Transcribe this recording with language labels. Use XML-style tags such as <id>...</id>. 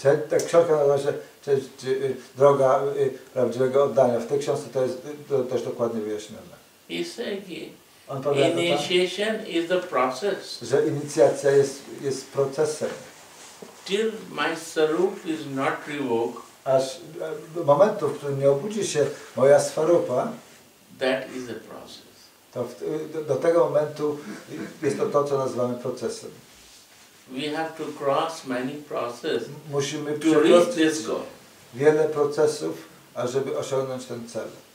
<pl>Ta książka nazywa się Droga prawdziwego oddania. W tej książce to jest też dokładnie wyjaśnione. On powiada,</pl> <en>initiation is the process.</en> <pl>Że inicjacja jest procesem.</pl> <en>Till my sarup is not revoked.</en> <pl>Aż do momentu, w którym nie obudzi się moja swarupa,</pl> <en>that is a process.</en> <pl>To do tego momentu jest to, co nazywamy procesem.</pl> <en>We have to cross many processes.</en> <pl>Musimy to przekroczyć wiele procesów, ażeby osiągnąć ten cel.</pl>